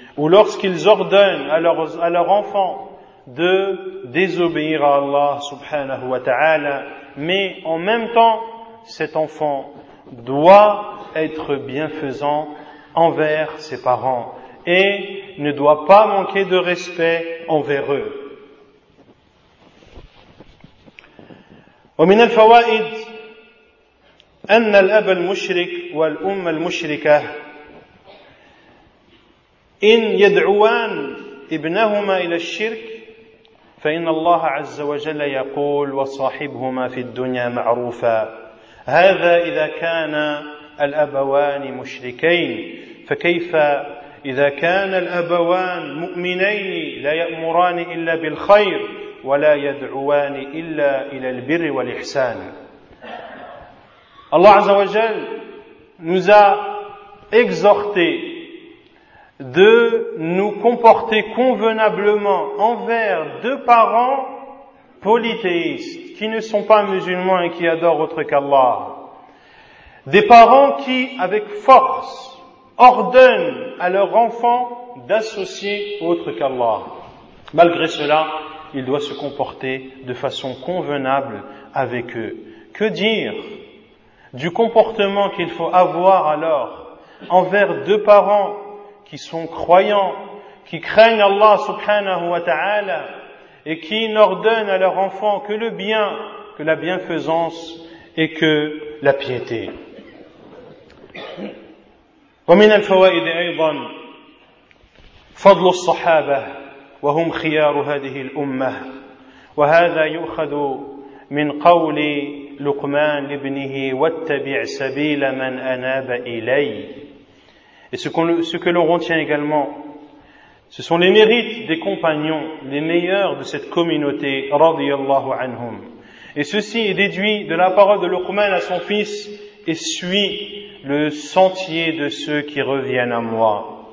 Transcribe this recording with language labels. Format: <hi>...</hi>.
<fr>Ou lorsqu'ils ordonnent à leur enfant de désobéir à Allah subhanahu wa ta'ala, mais en même temps, cet enfant doit être bienfaisant envers ses parents et ne doit pas manquer de respect envers eux.</fr> <ar>ومن الفوائد أن الأب المشرك والأم المشركة إن يدعوان ابنهما إلى الشرك فإن الله عز وجل يقول وصاحبهما في الدنيا معروفا هذا إذا كان الأبوان مشركين فكيف إذا كان الأبوان مؤمنين لا يأمران إلا بالخير ولا يدعوان إلا إلى البر والإحسان. الله عز وجل</ar> <fr>nous a exhorter de nous comporter convenablement envers deux parents polythéistes qui ne sont pas musulmans et qui adorent autre qu'Allah. Des parents qui, avec force, ordonnent à leur enfant d'associer autre qu'Allah. Malgré cela, il doit se comporter de façon convenable avec eux. Que dire du comportement qu'il faut avoir alors envers deux parents qui sont croyants, qui craignent Allah subhanahu wa ta'ala et qui n'ordonnent à leur enfant que le bien, que la bienfaisance et que la piété.</fr> <ar>ومن الفوائد أيضا فضل الصحابة وهم خيار هذه الأمة وهذا يؤخذ من قول لقمان لابنه واتبع سبيل من أناب إلي.</ar> <fr>Et ce que l'on retient également, ce sont les mérites des compagnons, les meilleurs de cette communauté,</fr> <ar>رضي الله عنهم.</ar> <fr>Et ceci est déduit de la parole de Luqman à son fils, et suit le sentier de ceux qui reviennent à moi.</fr>